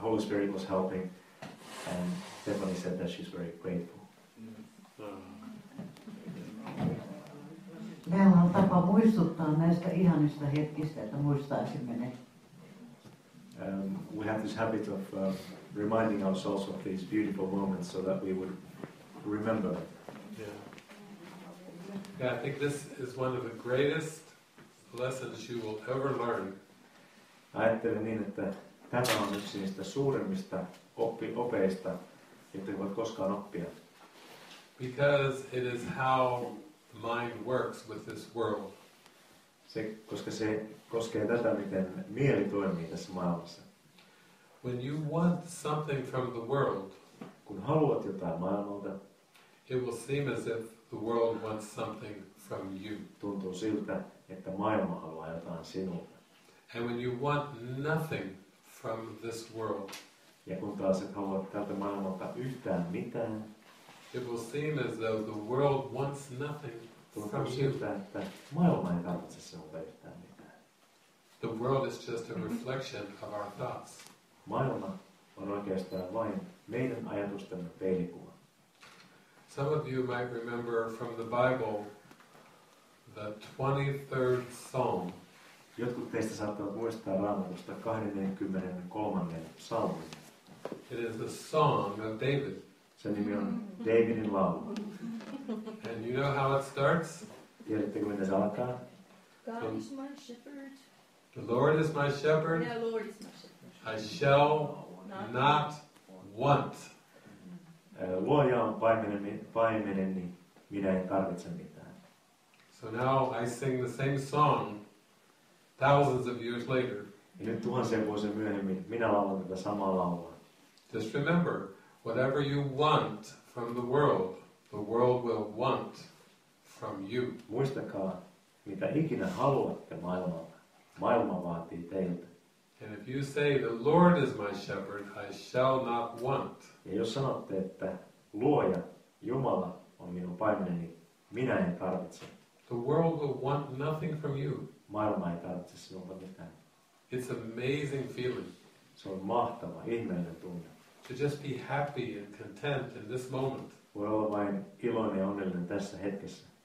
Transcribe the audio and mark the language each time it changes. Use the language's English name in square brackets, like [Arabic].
[English] Holy Spirit was helping, and Stephanie said that she's very grateful. [Finnish] Meillä on tapa muistuttaa näistä ihanista hetkistä, että muistaisimme ne. [English] We have this habit of reminding ourselves of these beautiful moments so that we would remember. Yeah, I think this is one of the greatest lessons you will ever learn. [Finnish] Ajattelen niin, että tämä on yksi niistä suurimmista opeista, joita voit koskaan oppia. [English] Because it is how mind works with this world. [Finnish] Se, koska se koskee tätä, miten mieli toimii tässä maailmassa. [English] When you want something from the world, [Finnish] kun haluat jotain maailmalta, [English] it will seem as if the world wants something from you. [Finnish] Tuntuu siltä, että maailma haluaa jotain sinulta. [English] And when you want nothing from this world, [Finnish] ja kun taas et halua tältä maailmalta yhtään mitään, [English] it will seem as though the world wants nothing from [Finnish] siltä, [English] you. [Finnish] Että maailma ei tarvitse sinulta yhtään mitään. [English] The world is just a reflection of our thoughts. [Finnish] Maailma on oikeastaan vain meidän ajatustemme peilikuva. [English] Some of you might remember from the Bible the 23rd Psalm. [Finnish] Jotkut teistä saattavat muistaa Raamatusta 23. psalmin. [English] It is the song of David. [Finnish] Sen nimi on Davidin laulu. [English] And you know how it starts? [Finnish] Tiedättekö, miten se alkaa? [English] God is my shepherd. The Lord is my shepherd. Yeah, Lord is my shepherd. I shall not want. [Finnish] Luoja on paimeneni, minä en tarvitse mitään. [English] So now I sing the same song thousands of years later. [Finnish] Ja nyt tuhansien vuosien myöhemmin minä laulan tätä samaa laulua. [English] Just remember, whatever you want from the world will want from you. [Finnish] Muistakaa, mitä ikinä haluatte maailmalta, maailma vaatii teiltä. [English] And if you say the Lord is my shepherd, I shall not want. [Finnish] Ja jos sanotte, että Luoja, Jumala on minun paimeneni, minä en tarvitse. [English] The world will want nothing from you. [Finnish] Maailma ei tarvitse sinulta mitään. [English] It's an amazing feeling. [Finnish] Se on mahtava, ihmeellinen tunne. [English] To just be happy and content in this moment. [Finnish] Voi olla vain iloinen ja onnellinen tässä hetkessä.